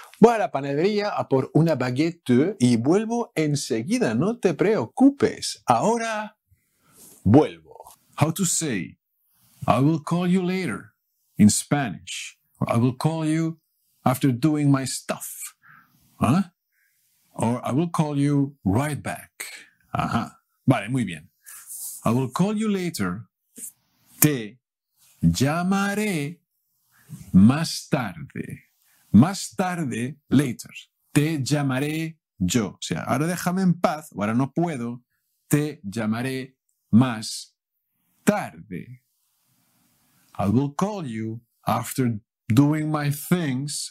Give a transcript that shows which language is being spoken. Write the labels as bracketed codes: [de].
[es] Voy a la panadería a por una baguette y vuelvo enseguida. No te preocupes. Ahora vuelvo. [en] How to say I will call you later in Spanish. I will call you after doing my stuff. ¿Ah? Or I will call you right back. Ajá. [es] Vale, muy bien. [en] I will call you later. [es] Te llamaré más tarde. Más tarde, [en] later. [es] Te llamaré yo. O sea, ahora déjame en paz, o ahora no puedo. Te llamaré más tarde. [en] I will call you after doing my things.